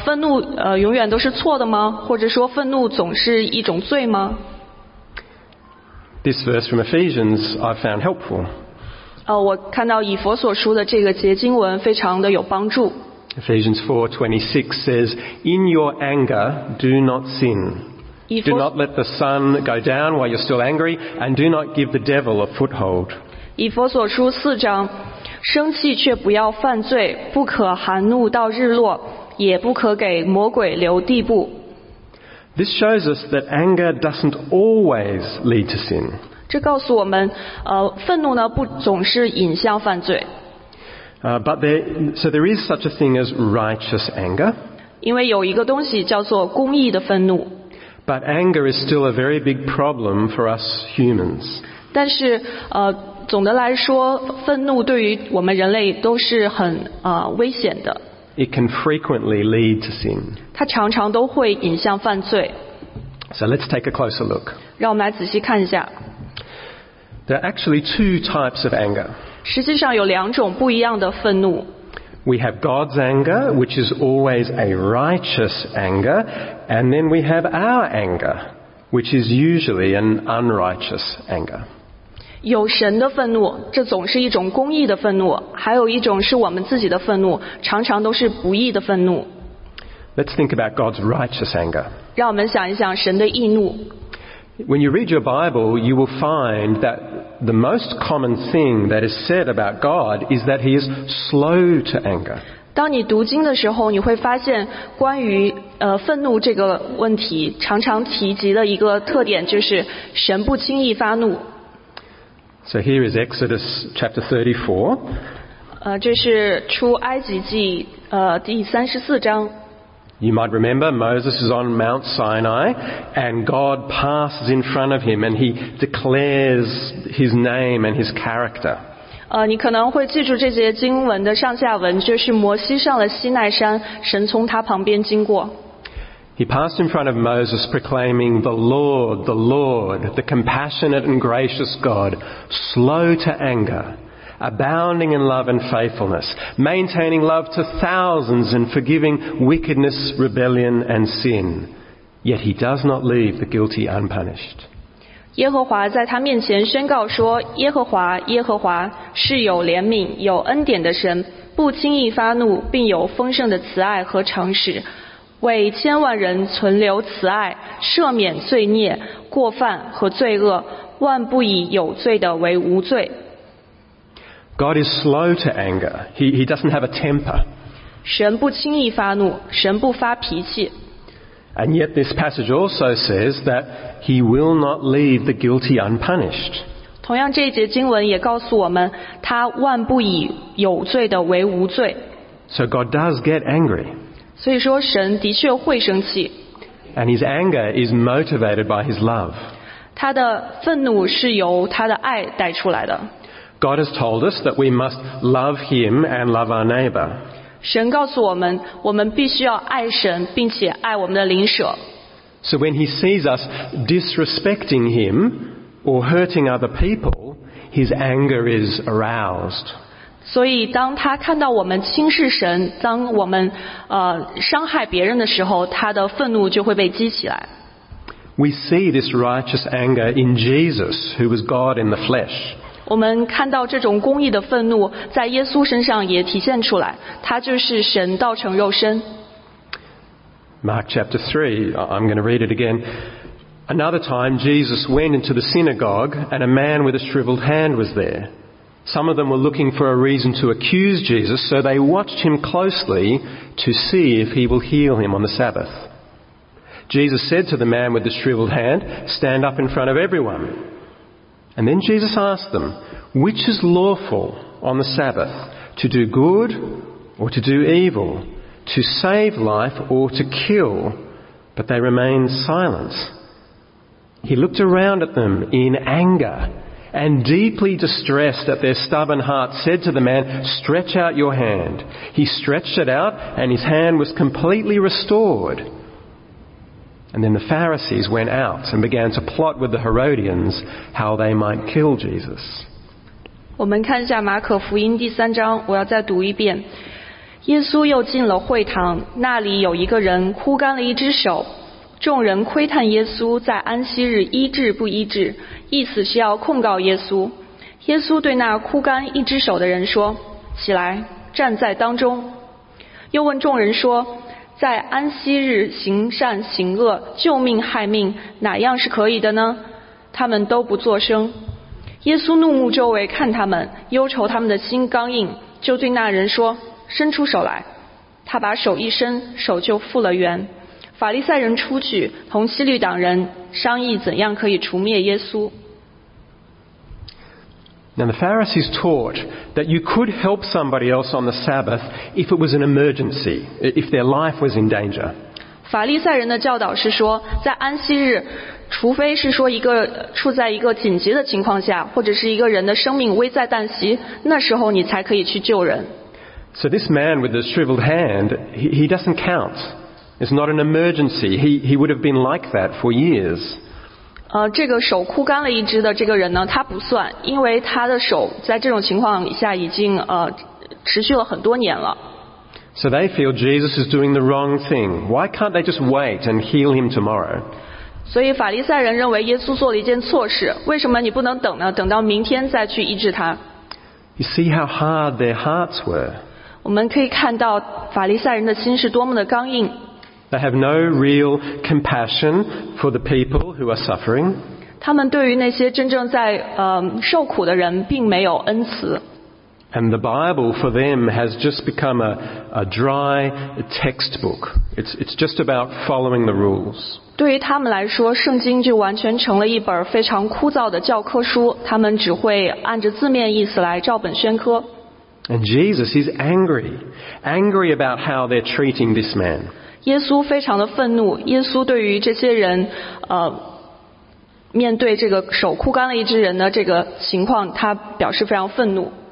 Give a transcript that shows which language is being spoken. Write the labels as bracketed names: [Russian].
[Chinese] 愤怒永远都是错的吗？或者说愤怒总是一种罪吗？ [English] This verse from Ephesians I found helpful. [Chinese] 我看到以弗所书的这个节经文非常的有帮助。 [English] Ephesians 4:26 says, In your anger, do not sin. Do not let the sun go down while you're still angry, and do not give the devil a foothold. [Chinese] 以弗所书四章，生气却不要犯罪，不可含怒到日落，也不可给魔鬼留地步。 [English] This shows us that anger doesn't always lead to sin. [Chinese] 这告诉我们，愤怒呢不总是引向犯罪。 [English] But there is such a thing as righteous anger. [Chinese] 因为有一个东西叫做公义的愤怒。 [English] But anger is still a very big problem for us humans. [Chinese] 但是，总的来说，愤怒对于我们人类都是很危险的。 [English] It can frequently lead to sin. [Chinese] 它常常都会引向犯罪。 [English] So let's take a closer look. [Chinese] 让我们来仔细看一下。 [English] There are actually two types of anger. [Chinese] 实际上有两种不一样的愤怒。 [English] We have God's anger, which is always a righteous anger, and then we have our anger, which is usually an unrighteous anger. [Chinese] 有神的愤怒，这总是一种公义的愤怒，还有一种是我们自己的愤怒，常常都是不义的愤怒。 [English] Let's think about God's righteous anger. [Chinese] 让我们想一想神的义怒。 [English] When you read your Bible, you will find that the most common thing that is said about God is that he is slow to anger. [Chinese] 当你读经的时候，你会发现关于愤怒这个问题常常提及的一个特点就是神不轻易发怒。 [English] So here is Exodus chapter 34. [Chinese] 这是出埃及记第34章。 [English] You might remember Moses is on Mount Sinai and God passes in front of him and he declares his name and his character. [Chinese] 你可能会记住这节经文的上下文，就是摩西上了西奈山，神从他旁边经过。 [English] He passed in front of Moses proclaiming the Lord, the Lord, the compassionate and gracious God, slow to anger. Abounding in love and faithfulness, maintaining love to thousands and forgiving wickedness, rebellion and sin. Yet he does not leave the guilty unpunished. [Chinese] 耶和华在他面前宣告说，耶和华，耶和华是有怜悯，有恩典的神，不轻易发怒，并有丰盛的慈爱和诚实，为千万人存留慈爱，赦免罪孽、过犯和罪恶，万不以有罪的为无罪。 [English] God is slow to anger. He doesn't have a temper. [Chinese] 神不轻易发怒，神不发脾气。 [English] And yet this passage also says that he will not leave the guilty unpunished. [Chinese] 同样这一节经文也告诉我们，他万不以有罪的为无罪。 [English] So God does get angry. [Chinese] 所以说神的确会生气。 [English] And his anger is motivated by his love. [Chinese] 他的愤怒是由他的爱带出来的。 [English] God has told us that we must love Him and love our neighbor. [Chinese] 神告诉我们，我们必须要爱神，并且爱我们的邻舍。 [English] So when He sees us disrespecting Him or hurting other people, His anger is aroused. [Chinese] 所以当他看到我们轻视神，当我们伤害别人的时候，他的愤怒就会被激起来。 [English] We see this righteous anger in Jesus, who was God in the flesh. [Chinese] 我们看到这种公义的愤怒在耶稣身上也体现出来，他就是神道成肉身。 [English] Mark chapter 3, I'm going to read it again. Another time Jesus went into the synagogue and a man with a shriveled hand was there. Some of them were looking for a reason to accuse Jesus, so they watched him closely to see if he will heal him on the Sabbath. Jesus said to the man with the shriveled hand, Stand up in front of everyone. And then Jesus asked them, which is lawful on the Sabbath, to do good or to do evil, to save life or to kill? But they remained silent. He looked around at them in anger and, deeply distressed at their stubborn heart, said to the man, stretch out your hand. He stretched it out and his hand was completely restored. And then the Pharisees went out and began to plot with the Herodians how they might kill Jesus. [Chinese] 我们看一下马可福音第三章，我要再读一遍。耶稣又进了会堂，那里有一个人枯干了一只手，众人窥探耶稣在安息日医治不医治，意思是要控告耶稣。耶稣对那枯干一只手的人说，起来，站在当中。又问众人说，在安息日行善行恶，救命害命，哪样是可以的呢？他们都不作声。耶稣怒目周围看他们，忧愁他们的心刚硬，就对那人说，伸出手来。他把手一伸，手就复了原。法利赛人出去，同西律党人商议怎样可以除灭耶稣。 [English] Now the Pharisees taught that you could help somebody else on the Sabbath if it was an emergency, if their life was in danger. [Chinese] 法利赛人的教导是说，在安息日，除非是说一个处在一个紧急的情况下，或者是一个人的生命危在旦夕，那时候你才可以去救人。 [English] So this man with the shriveled hand, he doesn't count. It's not an emergency. He would have been like that for years. [Chinese] 这个手枯干了一只的这个人呢，他不算，因为他的手在这种情况下已经持续了很多年了。 [English] So they feel Jesus is doing the wrong thing. Why can't they just wait and heal him tomorrow? [Chinese] 所以法利赛人认为耶稣做了一件错事，为什么你不能等呢？等到明天再去医治他。 [English] You see how hard their hearts were. [Chinese] 我们可以看到法利赛人的心是多么的刚硬。 [English] They have no real compassion for the people who are suffering. [Chinese] 他们对于那些真正在受苦的人并没有恩慈。 [English] And the Bible for them has just become a dry textbook. It's just about following the rules. [Chinese] 对于他们来说，圣经就完全成了一本非常枯燥的教科书，他们只会按着字面意思来照本宣科。 [English] And Jesus is angry, angry about how they're treating this man. [Chinese] 耶稣非常的愤怒，耶稣对于这些人，面对这个手枯干了一只人的这个情况，他表示非常愤怒。